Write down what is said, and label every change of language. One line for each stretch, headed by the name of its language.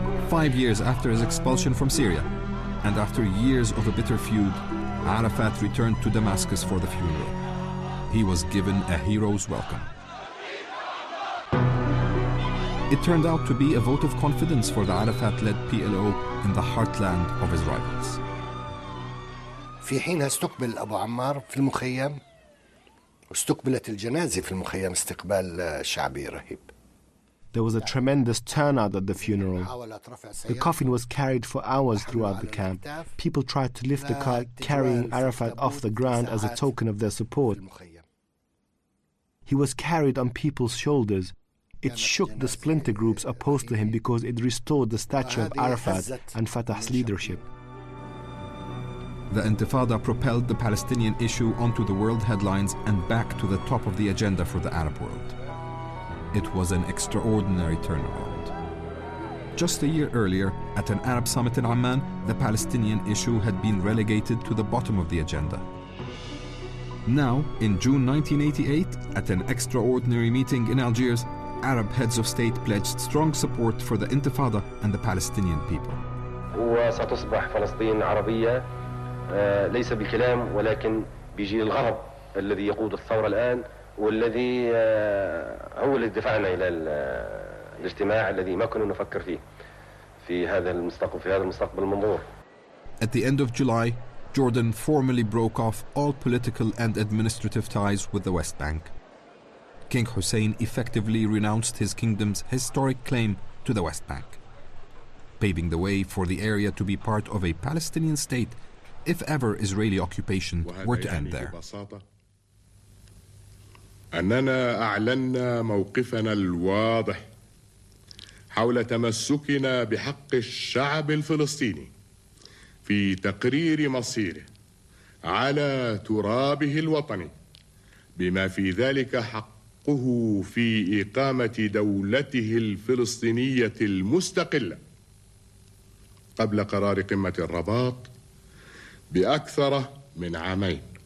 English: 5 years after his expulsion from Syria, and after years of a bitter feud, Arafat returned to Damascus for the funeral. He was given a hero's welcome. It turned out to be a vote of confidence for the Arafat-led PLO in the heartland of his rivals.
Arabic: في حينها استقبل أبو عمار في المخيم واستقبلت الجنازة في المخيم استقبال شعبي رهيب.
English: There was a tremendous turnout at the funeral. The coffin was carried for hours throughout the camp. People tried to lift the car carrying Arafat off the ground as a token of their support. He was carried on people's shoulders. It shook the splinter groups opposed to him because it restored the stature of Arafat and Fatah's leadership. The Intifada propelled the Palestinian issue onto the world headlines and back to the top of the agenda for the Arab world. It was an extraordinary turnaround. Just a year earlier, at an Arab summit in Amman, the Palestinian issue had been relegated to the bottom of the agenda. Now, in June 1988, at an extraordinary meeting in Algiers, Arab heads of state pledged strong support for the Intifada and the Palestinian people.
Arabic: وستصبح فلسطين عربية ليس بالكلام ولكن بجيل الغرب الذي يقود الثورة الآن والذي هو الذي دفعنا إلى الاجتماع الذي ما كنا نفكر فيه في هذا المستقبل في هذا المستقبل المنظور.
English: At the end of July, Jordan formally broke off all political and administrative ties with the West Bank. King Hussein effectively renounced his kingdom's historic claim to the West Bank, paving the way for the area to be part of a Palestinian state if ever Israeli occupation were to end there.
Arabic: أننا أعلننا موقفنا الواضح حول تمسكنا بحق الشعب الفلسطيني في تقرير مصيره على ترابه الوطني بما في ذلك حق في إقامة دولته الفلسطينية المستقلة قبل قرار قمة الرباط بأكثر من عامين